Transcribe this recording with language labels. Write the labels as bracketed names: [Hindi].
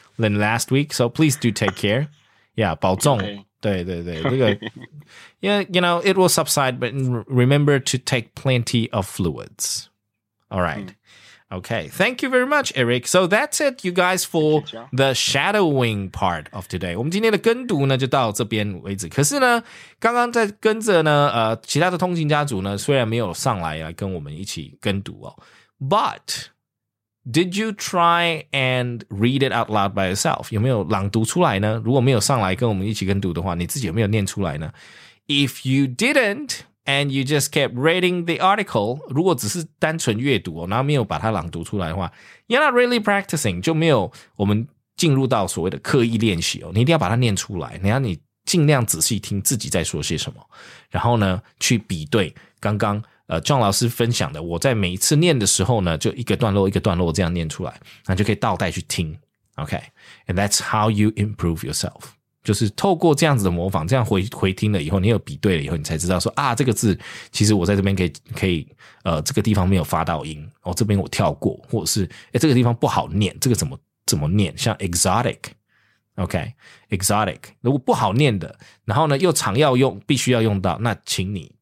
[English] Than last week, so please do take care. Yeah, [Chinese] 保重 [English] okay. [Chinese] 对 [English] okay. Yeah, you know, it will subside, but remember to take plenty of fluids. All right. Okay, thank you very much, Eric. So that's it, you guys, for the shadowing part of today. [Chinese] 我们今天的跟读呢就到这边为止。可是呢，刚刚在跟着呢，其他的通勤家族呢，虽然没有上来跟我们一起跟读哦 ， [English] but... Did you try and read it out loud by yourself? [Chinese] 有没有朗读出来呢？如果没有上来跟我们一起跟读的话，你自己有没有念出来呢？ [English] If you didn't, and you just kept reading the article, [Chinese] 如果只是单纯阅读，然后没有把它朗读出来的话， [English] you're not really practicing, [Chinese] 就没有我们进入到所谓的刻意练习，你一定要把它念出来，然后你尽量仔细听自己在说些什么，然后呢，去比对刚刚John 老师分享的，我在每一次念的时候呢，就一个段落一个段落这样念出来，那就可以倒带去听。 [English] OK, and that's how you improve yourself. [Chinese] 就是透过这样子的模仿，这样回听了以后，你有比对了以后，你才知道说啊，这个字其实我在这边可以这个地方没有发到音，哦，这边我跳过，或者是这个地方不好念，这个怎么念？像 exotic, OK, exotic 如果不好念的，然后呢又常要用，必须要用到，那请你。